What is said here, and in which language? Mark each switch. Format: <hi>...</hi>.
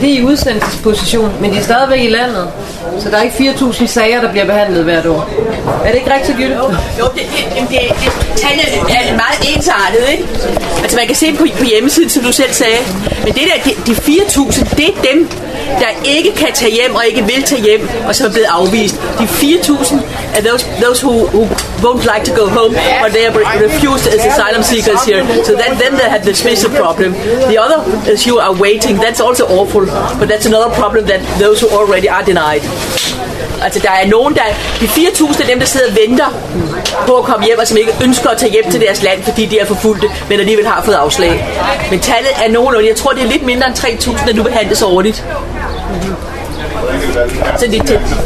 <da>De er i udsendelsesposition, men de er stadigvæk i landet. Så der er ikke 4.000 sager, der bliver behandlet hvert år. Er det ikke rigtigt, Gylle? Jo, det er meget ensartet, ikke? Altså, man kan se på hjemmesiden, som du selv sagde. Men det der, de 4.000, det er dem, der ikke kan tage hjem og ikke vil tage hjem, og så er blevet afvist. De 4.000 er</da> <en>those who won't like to go home, but they are refused as asylum seekers here. So that them that have the special problem. The other, as you are waiting, that's also awful, but that's another problem that those who already are denied.</en> <da>Altså, der er nogen, der... De 4.000 er dem, der sidder og venter på at komme hjem, og som ikke ønsker at tage hjem til deres land, fordi de er forfulgte, men alligevel har fået afslag. Men tallet er nogenlunde... Jeg tror, det er lidt mindre end 3.000, der nu behandles årligt. Så det er tæt.</da>